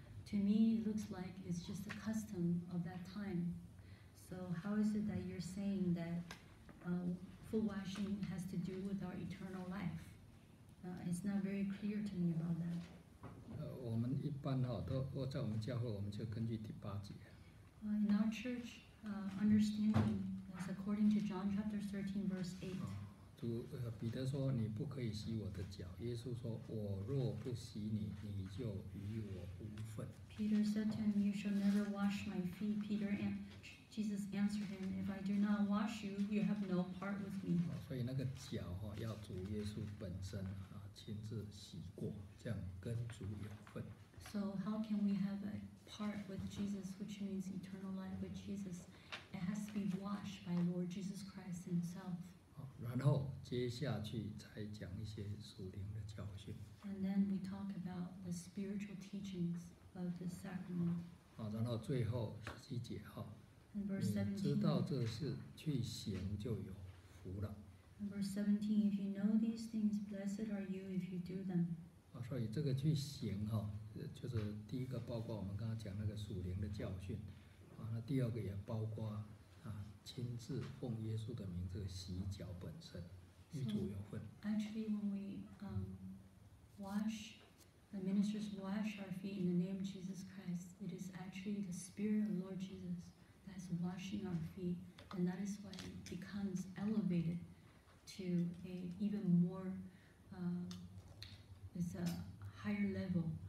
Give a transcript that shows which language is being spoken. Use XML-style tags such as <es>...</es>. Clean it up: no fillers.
<en>To me, it looks like it's just a custom of that time. So how is it that you're saying that foot washing has to do with our eternal life? It's not very clear to me about that.</en> <zh>我们一般都在我们教会，我们就根据第八节。</zh> <en>In our church,understanding is according to John chapter 13 verse 8.</en> <zh>彼得说你不可以洗我的脚，耶稣说我若不洗你，你就与我无份。</zh> <en>Peter said to him, you shall never wash my feet. Peter and Jesus answered him, if I do not wash you, you have no part with me.</en> <zh>所以那个脚要主耶稣本身亲自洗过，这样跟主有份。</zh> <en>So how can we have a part with Jesus, which means eternal life with Jesus? It has to be washed by Lord Jesus Christ Himself.</en> <zh>然后接下去才讲一些属灵的教训。</zh> <en>And then we talk about the spiritual teachings of the sacrament.</en> <zh>然后最后十七节哈。</zh> <en>And verse 17.</en> <zh>你知道这事，去行就有福了。</zh> <en>And verse 17. If you know these things, blessed are you if you do them.</en> <zh>所以这个去行哈。就是第一个包括我们刚刚讲那个属灵的教训，那第二个也包括亲自奉耶稣的名这个洗脚本身，与主有份。</zh> <en>So, actually, when we wash, the ministers wash our feet in the name of Jesus Christ. It is actually the Spirit of Lord Jesus that's washing our feet, and that is why it becomes elevated to a even more it's a higher level.</en>